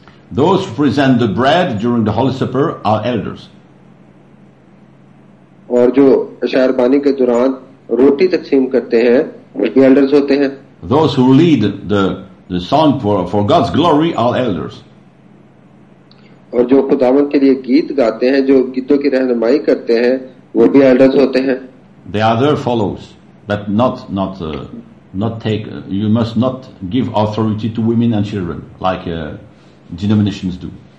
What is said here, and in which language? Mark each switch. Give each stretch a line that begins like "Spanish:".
English: Those who present the bread during the Holy Supper are elders.
Hindi: और जो शहरबानी के दौरान रोटी तकसीम करते हैं वो भी elders होते हैं.
English: Those who lead the song for God's glory are elders.
Hindi: और जो खुदावन के लिए गीत गाते हैं, जो गीतों की रहनुमाई करते हैं, वो भी elders होते हैं.
English: They are their followers, but not take. You must not give authority to women and children like denominations do.